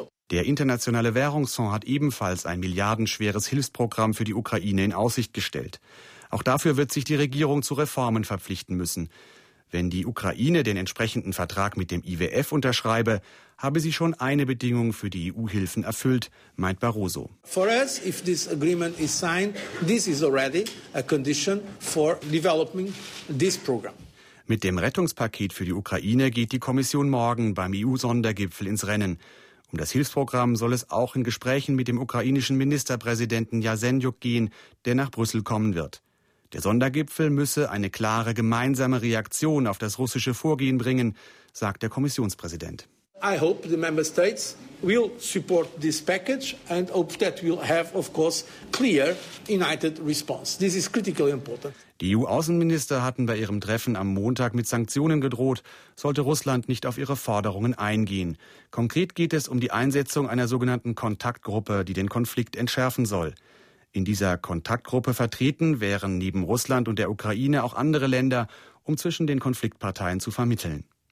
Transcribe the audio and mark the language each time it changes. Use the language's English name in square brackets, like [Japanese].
[German] Der Internationale Währungsfonds hat ebenfalls ein milliardenschweres Hilfsprogramm für die Ukraine in Aussicht gestellt. Auch dafür wird sich die Regierung zu Reformen verpflichten müssen. Wenn die Ukraine den entsprechenden Vertrag mit dem IWF unterschreibe, habe sie schon eine Bedingung für die EU-Hilfen erfüllt, meint Barroso. [English] For us, if this agreement is signed, this is already a condition for developing this program. [German] Mit dem Rettungspaket für die Ukraine geht die Kommission morgen beim EU-Sondergipfel ins Rennen. Um das Hilfsprogramm soll es auch in Gesprächen mit dem ukrainischen Ministerpräsidenten Jasenjuk gehen, der nach Brüssel kommen wird. Der Sondergipfel müsse eine klare gemeinsame Reaktion auf das russische Vorgehen bringen, sagt der Kommissionspräsident. [English] I hope the member states will support this package and hope that we'll have, of course, clear, united response. This is critically important. [German] Die EU-Außenminister hatten bei ihrem Treffen am Montag mit Sanktionen gedroht, sollte Russland nicht auf ihre Forderungen eingehen. Konkret geht es um die Einsetzung einer sogenannten Kontaktgruppe, die den Konflikt entschärfen soll. In dieser Kontaktgruppe vertreten wären neben Russland und der Ukraine auch andere Länder, um zwischen den Konfliktparteien zu vermitteln.